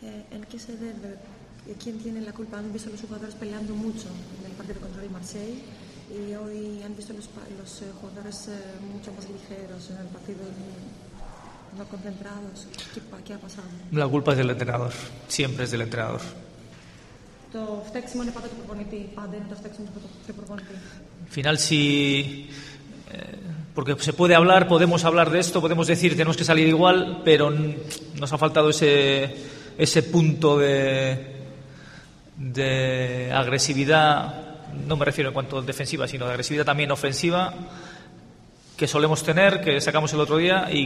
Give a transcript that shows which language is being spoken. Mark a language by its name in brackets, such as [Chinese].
[Spanish] En qué se debe, quién tiene la culpa, han visto los jugadores peleando mucho en el partido contra el Marseille. Y hoy han visto los jugadores mucho más ligeros en el partido, no concentrados. ¿Qué ha pasado? La culpa es del entrenador. Siempre es del entrenador. [Greek] Το φταίξιμο είναι πάντα του προπονητή. Πάντα είναι το φταίξιμο του προπονητή. [Spanish] Final, si... Porque se puede hablar, podemos hablar de esto, podemos decir, tenemos que salir igual, pero nos ha faltado ese punto de agresividad. No me refiero en cuanto a defensiva, sino de agresividad también ofensiva que solemos tener, que sacamos el otro día